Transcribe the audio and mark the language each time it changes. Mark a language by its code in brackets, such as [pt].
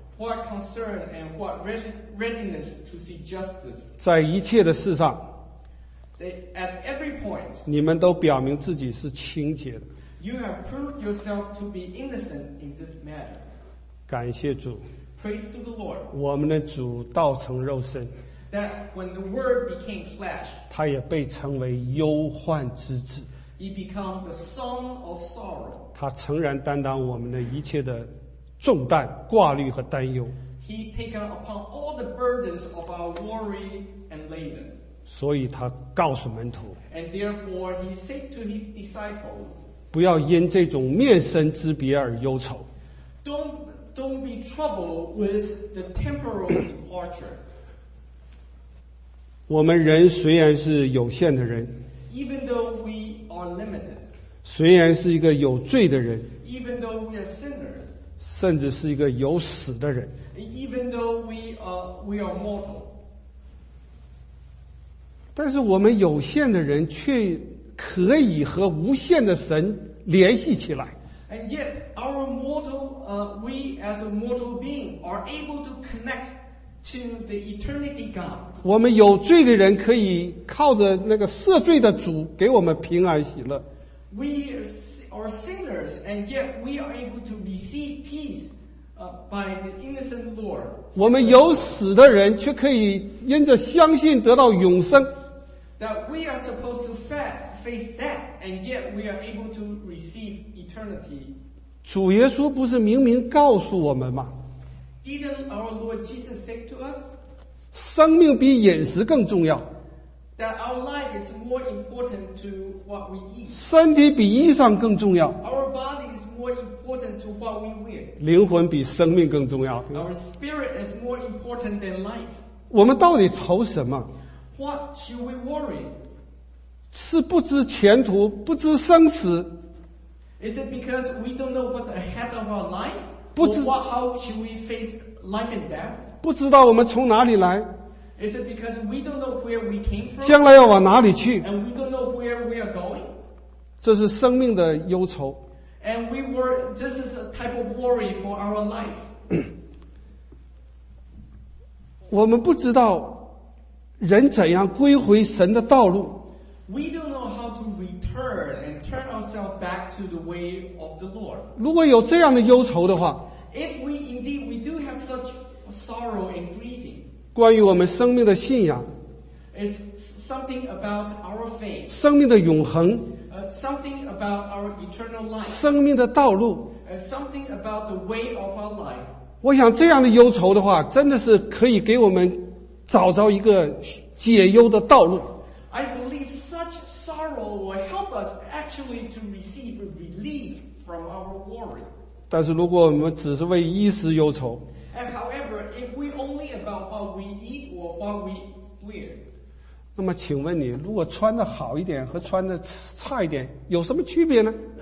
[en] what concern and what readiness to see justice, [zh] 在一切的事上 [en] at every point, [zh] 你们都表明自己是清洁的 [en] you have proved yourself to be innocent in this matter. [zh] 感谢主 [en] Praise to the Lord. [zh] 我们的主道成肉身 [en] That when the word became flesh, [zh] 他也被称为忧患之子 [en] He became the son of sorrow. [zh] 他诚然担当我们的一切的重担挂虑和担忧 [en] He taken upon all the burdens of our worry and laden. [zh] 所以他告诉门徒 [en] And therefore he said to his disciples, [zh] 不要因这种面生之别而忧愁 [en] Don't don't be troubled with the temporal departure. [zh] 我们人虽然是有限的人， [en] even though we are limited, [zh] 虽然是一个有罪的人， [en] even though we are sinners, [zh] 甚至是一个有死的人， [en] even though we are mortal, [zh] 但是我们有限的人却可以和无限的神联系起来。 [en] And yet, we as a mortal being are able to connect to the eternity God. [zh] 我们有罪的人可以靠着那个赦罪的主给我们平安喜乐。 [en] We are sinners, and yet we are able to receive peace by the innocent Lord. [zh] 我们有死的人却可以因着相信得到永生。 [en] That we are supposed to face death, and yet we are able to receive eternity. [zh] 主耶稣不是明明告诉我们吗？ [en] Didn't our Lord Jesus say to us? [zh] 生命比饮食更重要。 [en] That our life is more important to what we eat. [zh] 身体比衣裳更重要。 [en] Our body is more important to what we wear. [zh] 灵魂比生命更重要。 [en] Our spirit is more important than life. [zh] 我们到底愁什么？ [en] What should we worry? [zh] 是不知前途，不知生死。 [en] Is it because we don't know what's ahead of our life? [zh] 不知 [en] how should we face life and death? [zh] 不知道我们从哪里来。 [en] Is it because we don't know where we came from? [zh] 将来要往哪里去。 [en] And we don't know where we are going? [zh] 这是生命的忧愁。 [en] And we were, this is a type of worry for our life. [zh] 我们不知道人怎样归回神的道路。 [en] We don't know how to return and turn ourselves back to the way of the Lord. [zh] 如果有这样的忧愁的话， [en] If we indeed we do have such sorrow and grieving, [zh] 关于我们生命的信仰， [en] It's something about our faith, [zh] 生命的永恒， [en] Something about our eternal life, [zh] 生命的道路， [en] Something about the way of our life. [zh] 我想这样的忧愁的话，真的是可以给我们找着一个解忧的道路。 [en] I believe such sorrow will help us actually to receive relief from our worry. [zh] 但是如果我们只是为衣食忧愁， [en] And however, if we only about what we eat or what we wear, [zh] 那么请问你，如果穿得好一点和穿得差一点有什么区别呢？